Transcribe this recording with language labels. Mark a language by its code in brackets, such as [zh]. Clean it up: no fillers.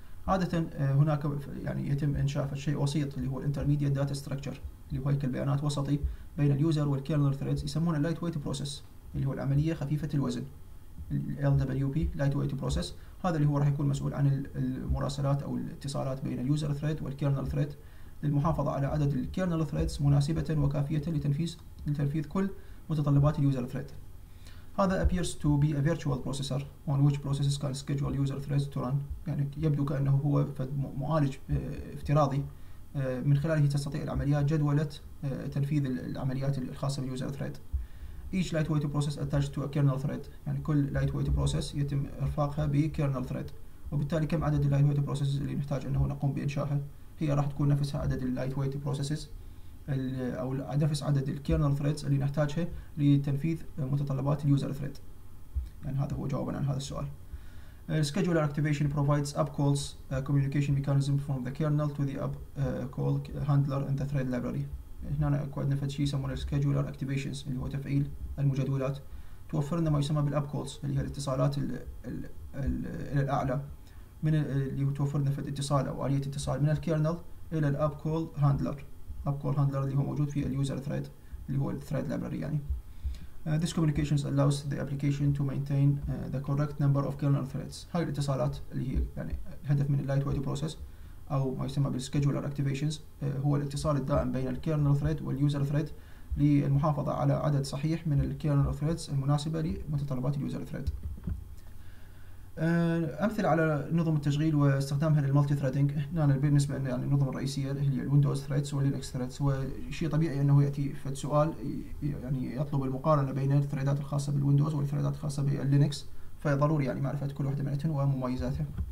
[ar] عاده هناك يعني يتم انشاء شيء وسيط اللي هو الانترميديت داتا ستراكشر اللي هو هيكل بيانات وسطي بين اليوزر والكيرنل ثريدز، يسمونه لايت ويت بروسيس اللي هو العمليه خفيفه الوزن، ال LWP لايت ويت بروسيس. هذا اللي هو راح يكون مسؤول عن المراسلات او الاتصالات بين اليوزر ثريد والكيرنل ثريد للمحافظه على عدد الكيرنل ثريدز مناسبه وكافيه لتنفيذ كل متطلبات اليوزر ثريد. هذا [en] appears to be a virtual processor on which processes can schedule user threads to run. [ar] يعني يبدو كانه هو معالج افتراضي من خلاله تستطيع العمليات جدوله تنفيذ العمليات الخاصه باليوزر ثريد. [en] Each lightweight process attached to a kernel thread. [ar] يعني كل lightweight process يتم ارفاقها بكيرنل ثريد. وبالتالي كم عدد اللايتويت بروسيسز اللي نحتاج انه نقوم بانشائها؟ هي راح تكون نفسها عدد اللايتويت بروسيسز او نفس عدد الكيرنل ثريدز اللي نحتاجها لتنفيذ متطلبات اليوزر ثريد. يعني هذا هو جوابا عن هذا السؤال. [en] Scheduler activation provides up calls communication mechanism from the kernel to the up call handler in the thread library. [ar] هنا اكو عندنا فد شيء يسمونه scheduler activations اللي هو تفعيل المجدولات، توفر لنا ما يسمى بالاب كولز اللي هي الاتصالات الى الاعلى، من اللي هو توفر لنا فد اتصال او اليه اتصال من الكيرنل الى الاب كول هاندلر. اب كول هاندلر اللي هو موجود في اليوزر ثريد اللي هو الثريد لايبرري. يعني [en] this communications allows the application to maintain the correct number of kernel threads. [ar] هاي الاتصالات اللي هي يعني الهدف من اللايت ويت بروسيس او ما يسمى بالسكجولر اكتيفيشنز هو الاتصال الدائم بين الكيرنل ثريد واليوزر ثريد للمحافظه على عدد صحيح من الكيرنل ثريدز المناسبه لمتطلبات اليوزر ثريد. امثل على نظم التشغيل واستخدامها للمالتي ثريدنج، هنا بالنسبه يعني النظم الرئيسيه اللي هي الويندوز ثريدز واللينكس ثريدز، وشيء طبيعي انه ياتي في السؤال يعني يطلب المقارنه بين الثريدات الخاصه بالويندوز والثريدات الخاصه باللينكس، فضروري يعني معرفه كل واحده منهن ومميزاتها.